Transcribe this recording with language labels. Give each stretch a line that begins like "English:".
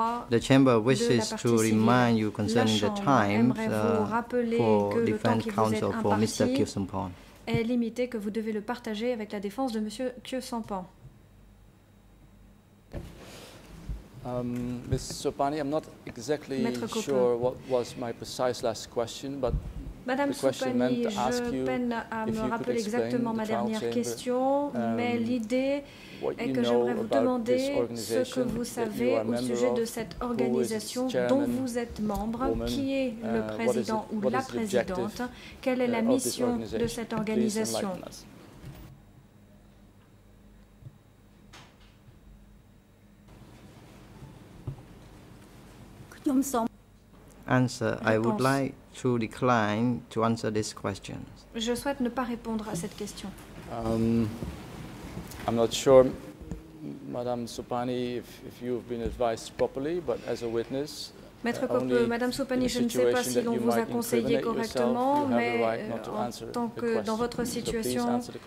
English: The Chamber wishes to remind you concerning the time for Defense Counsel for Mr. Kyo Sampan.
French: Est limité que vous devez le partager avec la défense de Monsieur Kyo Sampan.
English: Ms. Sopani, I'm not exactly sure what was my precise last question, but
French: Madame
English: the question
French: Sopani,
English: meant to ask you
French: peine à me rappeler exactement ma dernière question, mais l'idée est que j'aimerais vous demander ce que vous savez au sujet de cette organisation dont vous êtes membre, qui est le président ou la présidente, quelle est la mission de cette organisation.
English: Answer. I would like to decline to answer this question.
French: Je souhaite ne pas répondre à cette question.
English: I'm not sure, Madame Sopani, if you've been advised properly, but as a witness.
French: Maître Copé, Madame Sopani, je ne sais pas si l'on vous a conseillé correctement, mais en tant que dans votre situation.